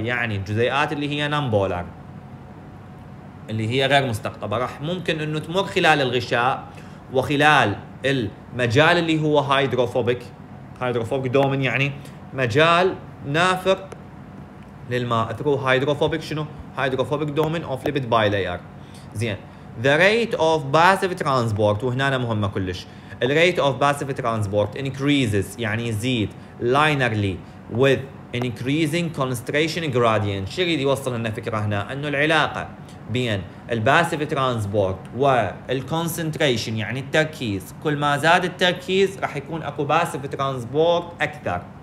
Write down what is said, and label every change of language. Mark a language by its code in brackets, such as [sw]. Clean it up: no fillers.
[ar] يعني الجزيئات اللي هي نون بولر اللي هي غير مستقطبة راح ممكن انه تمر خلال الغشاء وخلال المجال اللي هو هايدروفوبيك، هايدروفوبيك دومين يعني مجال نافق للماء، ثرو هايدروفوبيك، شنو؟ هايدروفوبيك دومين اوف ليبيد باي لاير، زين. [en] The rate of passive transport، [ar] وهنا مهمة كلش، [en] the rate of passive transport increases [ar] يعني يزيد [en] linearly with increasing concentration gradient. [ar] شو يريد يوصل لنا فكرة هنا؟ انه العلاقة بين الباسيف ترانسبورت والكونسنتريشن يعني التركيز، كل ما زاد التركيز راح يكون اكو باسيف ترانسبورت اكثر.